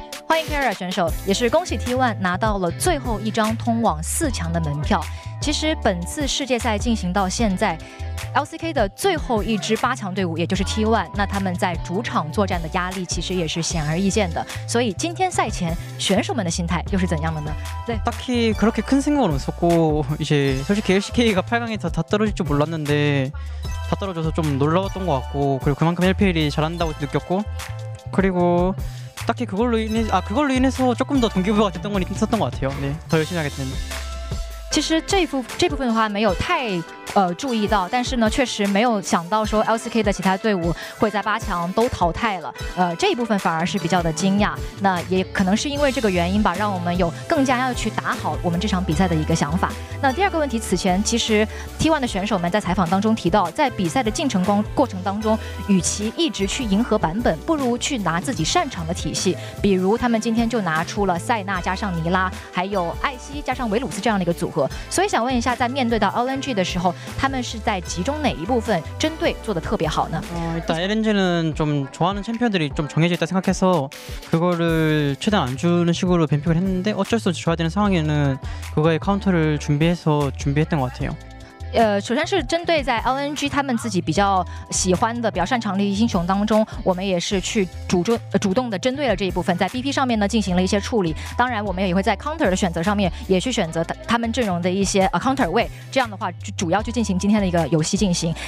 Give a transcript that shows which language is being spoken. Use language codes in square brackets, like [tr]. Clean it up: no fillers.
[zh] 欢迎 Carrier 选手，也是恭喜 T1 拿到了最后一张通往四强的门票。其实本次世界赛进行到现在， LCK 的最后一支八强队伍也就是 T1， 那他们在主场作战的压力其实也是显而易见的，所以今天赛前选手们的心态又是怎样的呢？ [ko] 对，딱히그렇게큰생각은없었고이제솔직히 LCK 가 8강에서 다떨어질줄몰랐는데 다 떨어져서 좀 놀라웠던 것 같고 그리고 그만큼 LPL 이 잘한다고 느꼈고 그리고딱히 그걸로 인해서 조금 더 동기부여가 됐던 건 있었던 것 같아요. 네, 더 열심히 하겠다는 [zh] 其实这部分的话没有太注意到，但是呢确实没有想到说 LCK 的其他队伍会在八强都淘汰了，这一部分反而是比较的惊讶，那也可能是因为这个原因吧，让我们有更加要去打好我们这场比赛的一个想法。那第二个问题，此前其实 T1 的选手们在采访当中提到，在比赛的进程过程当中，与其一直去迎合版本，不如去拿自己擅长的体系，比如他们今天就拿出了塞纳加上尼拉还有艾希加上维鲁斯这样的一个组合，所以想问一下，在面对到 LNG 的时候，他们是在集中哪一部分针对做得特别好呢？ [ko] 일단 LNG는 좀 좋아하는 챔피언들이 좀 정해져 있다 생각해서 그거를 최대한 안 주는 식으로 뱀픽을 했는데 어쩔 수 없이 줘야 되는 상황에는 그거의 카운터를 준비했던 것 같아요。 [zh] 首先是针对在 LNG 他们自己比较喜欢的比较擅长的英雄当中，我们也是去主动的针对了这一部分，在 BP 上面呢进行了一些处理，当然我们也会在 counter 的选择上面也去选择他们阵容的一些counter 位，这样的话主要去进行今天的一个游戏进行。